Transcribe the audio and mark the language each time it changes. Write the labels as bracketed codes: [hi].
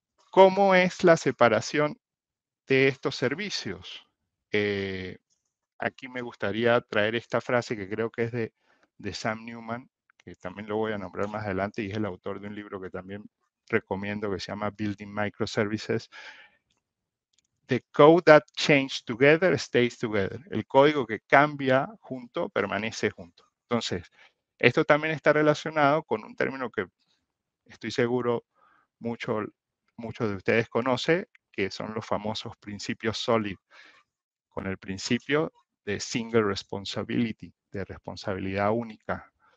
[es] ¿Cómo es la separación de estos servicios? Aquí me gustaría traer esta frase que creo que es de Sam Newman, que también lo voy a nombrar más adelante, y es el autor de un libro que también recomiendo que se llama Building Microservices. [en] The code that changes together stays together. [es] El código que cambia junto permanece junto. Entonces, esto también está relacionado con un término que estoy seguro muchos de ustedes conocen, que son los famosos principios SOLID, con el principio de single responsibility, de responsabilidad única.